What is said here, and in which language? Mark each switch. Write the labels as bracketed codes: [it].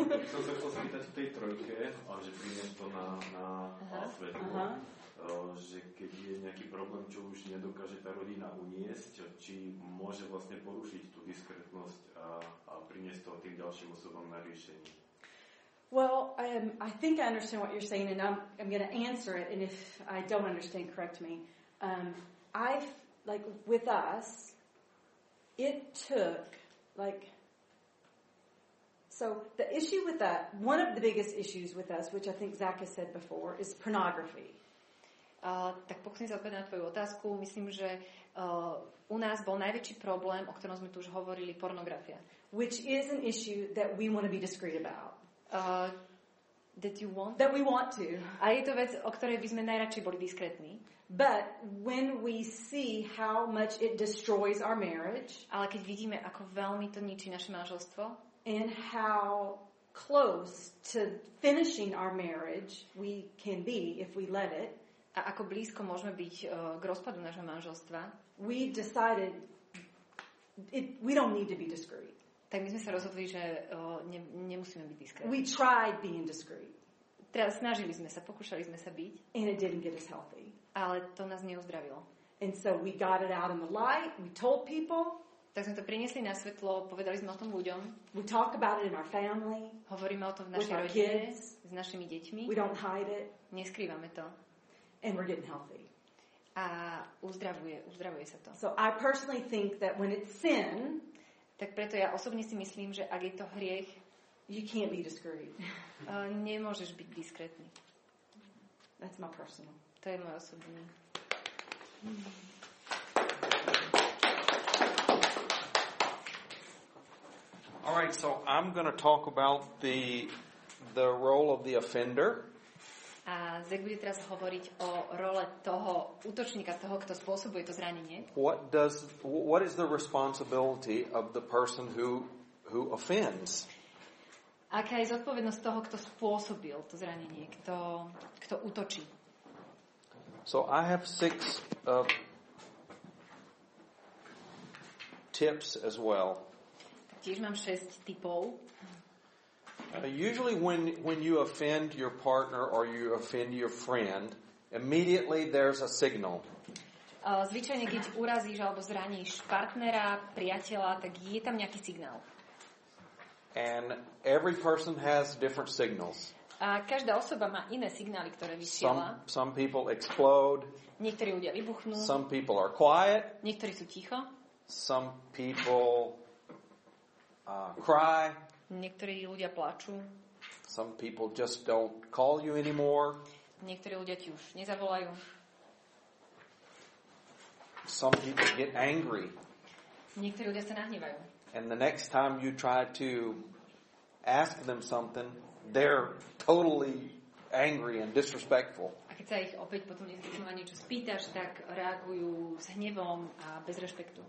[sk] Chcel sa chcel spýtať v tej trojke, ale že prídeš to na, na svetlo, že keď je nejaký problém, čo už nedokáže tá rodina uniesť, či môže vlastne porušiť tú diskrétnosť a priniesť to tým ďalším osobom na riešenie. [en] Well, I think I understand what you're saying, and I'm going to answer it, and if I don't understand, correct me. Like, with us, it took, like, so the issue with that, one of the biggest issues with us, which I think Zach has said before, is pornography. [sk] Tak pokusím sa opäť na tvoju otázku. Myslím, že u nás bol najväčší problém, o ktorom sme tu už hovorili, pornografia. [en] Which is an issue that we want to be discreet about. That we want to. [sk] A je to vec, o ktorej by sme najradšej boli diskrétni. [en] But when we see how much it destroys our marriage, [sk] ale keď vidíme, ako veľmi to ničí naše manželstvo, [en] and how close to finishing our marriage we can be if we let it, [sk] a ako blízko môžeme byť k rozpadu nášho manželstva, [en] we decided we don't need to be discreet. [sk] Tak my sme sa rozhodli, že nemusíme byť diskrétni. [en] We tried being discreet. [sk] Teda snažili sme sa, pokúšali sme sa byť. [en] And it didn't get us healthy. [sk] Ale to nás neuzdravilo. [en] And so we got it out in the light, we told people. [sk] Tak sme to priniesli na svetlo, povedali sme o tom ľuďom. [en] We talk about it in our family. [sk] Hovoríme o tom v našej rodine. [en] Kids, [sk] s našimi deťmi. [en] We don't hide it. [sk] Neskrývame to. [en] And we're getting healthy. [sk] A uzdravuje sa to. [en] So I personally think that when it's sin, [sk] tak preto ja osobne si myslím, že ak je to hriech, [en] you can't be discreet. [sk] Nemôžeš byť diskrétny. [en] That's my personal. [sk] To je môj osobný. [en] All right, so I'm going to talk about the role of the offender. [sk] A Zek bude teraz hovoriť o role toho útočníka, toho, kto spôsobuje to zranenie. [en] What is the responsibility of the person who offends? [sk] Aká je zodpovednosť toho, kto spôsobil to zranenie, kto útočí? [en] So I have 6 tips as well. [sk] Tiež mám 6 tipov. [en] Usually when you offend your partner or you offend your friend, immediately there's a signal. [sk] Zvyčajne, keď urazíš alebo zraníš partnera, priateľa, tak je tam nejaký signál. [en] And every person has different signals. [sk] A každá osoba má iné signály, ktoré vysiela. [en] Some people explode. [sk] Niektorí ľudia vybuchnú. [en] Some people are quiet. [sk] Niektorí sú ticho. [en] Some people cry. [sk] Niektorí ľudia plačú. [en] Some people just don't call you anymore. [sk] Niektorí ľudia ti už nezavolajú. [en] Some people get angry. [sk] Niektorí ľudia sa nahnevajú. [en] And the next time you try to ask them something, they're totally angry and disrespectful. [sk] A keď sa ich opäť potom niečo spýtaš, tak reagujú s hnevom a bez rešpektu.